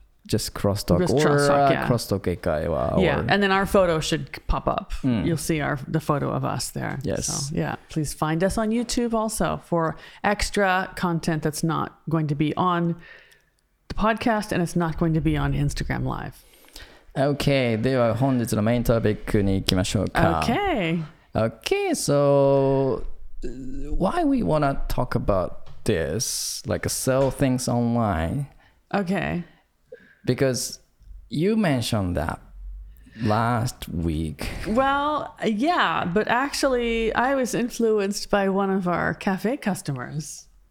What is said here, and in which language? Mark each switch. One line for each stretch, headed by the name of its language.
English: Just Crosstalk Crosstalk 英会話 and then our photo should pop up、うん、You'll see the photo of us there Yes so, yeah. Please find us on YouTube also For extra content that's not going to be on the podcast And it's not going to be on Instagram Live
Japanese: Okay, では本日のメイントピックに行きましょうか
English: Okay, so why we want to talk about this Like sell things online Okay. Because you mentioned that last week. Well, yeah, but actually I was influenced by one of our cafe customers.